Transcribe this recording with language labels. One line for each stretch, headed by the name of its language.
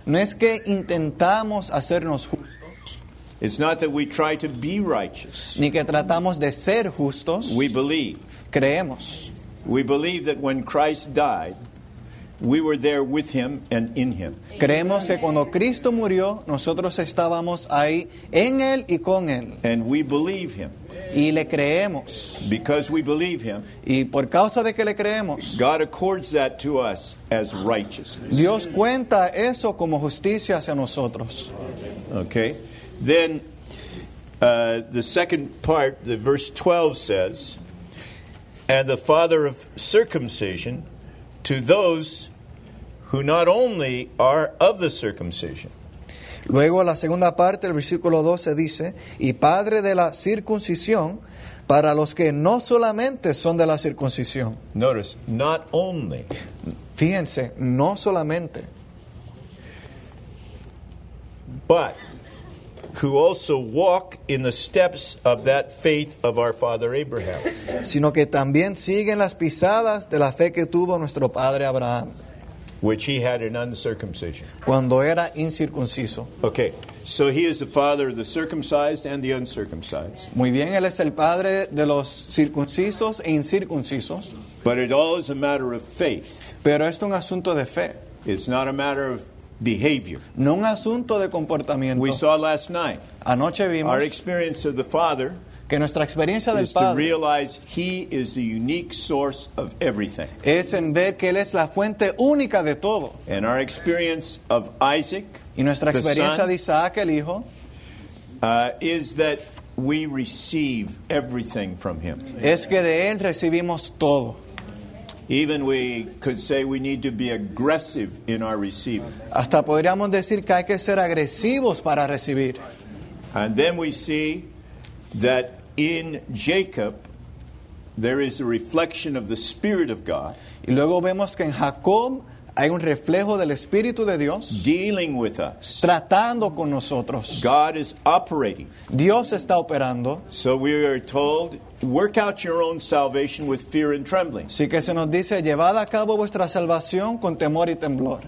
Spanish: No es que intentamos hacernos justos.
English: It's not that we try to be righteous.
Spanish: Ni que tratamos de ser justos.
English: We believe.
Spanish: Creemos.
English: We believe that when Christ died, we were there with him and in him.
Spanish: Creemos que cuando Cristo murió, nosotros estábamos ahí en él y con él.
English: And we believe him.
Spanish: Y le creemos.
English: Because we believe him.
Spanish: Y por causa de que le creemos.
English: God accords that to us as righteousness.
Spanish: Dios cuenta eso como justicia hacia nosotros.
English: Okay. Then the second part, the verse 12 says, and the father of circumcision to those who not only are of the circumcision.
Spanish: Luego la segunda parte, el versículo 12 dice, y padre de la circuncisión para los que no solamente son de la circuncisión.
English: Notice, not only.
Spanish: Fíjense, no solamente.
English: But who also walk in the steps of that faith of our father Abraham.
Spanish: Sino que también siguen las pisadas de la fe que tuvo nuestro padre Abraham.
English: Which he had in uncircumcision.
Spanish: Cuando era incircunciso.
English: Okay, so he is the father of the circumcised and the uncircumcised.
Spanish: Muy bien, él es el padre de los circuncisos e incircuncisos.
English: But it all is a matter of faith.
Spanish: Pero esto es un asunto de fe.
English: It's not a matter of behavior.
Spanish: No un asunto de comportamiento.
English: We saw last night.
Spanish: Anoche vimos.
English: Our experience of the Father.
Spanish: Que nuestra experiencia del
English: is
Spanish: Padre.
English: Is to realize He is the unique source of everything.
Spanish: Es en ver que Él es la fuente única de todo.
English: And our experience of Isaac.
Spanish: Y nuestra experiencia
English: the son,
Spanish: de Isaac, el hijo.
English: Is that we receive everything from Him.
Spanish: Es que de Él recibimos todo.
English: Even we could say we need to be aggressive in our receiving.
Spanish: Hasta podríamos decir que hay que ser agresivos para recibir.
English: And then we see that in Jacob there is a reflection of the Spirit of God.
Spanish: Y luego vemos que en Jacob hay un reflejo del Espíritu de Dios.
English: Dealing with us.
Spanish: Tratando con nosotros.
English: God is operating.
Spanish: Dios está operando.
English: So we are told, work out your own salvation with fear and trembling.
Spanish: Sí que se nos dice, llevad a cabo vuestra salvación con temor y temblor.